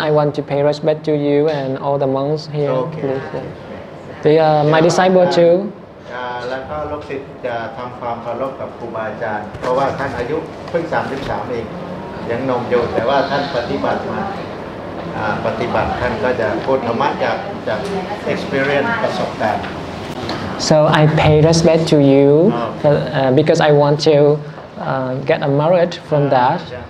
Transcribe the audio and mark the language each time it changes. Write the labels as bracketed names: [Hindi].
[English] I want to pay respect to you and all the monks here. Okay. Please. Okay. My disciple too. [Thai] แล้วก็ลูกศิษย์จะทำความเคารพกับครูบาอาจารย์เพราะว่าท่านอายุเพิ่ง33เองยังนมอยู่แต่ว่าท่านปฏิบัติมาปฏิบัติท่านก็จะพูดธรรมะจาก experience ประสบการณ์ [English] So I pay respect to you because I want to get a merit from that.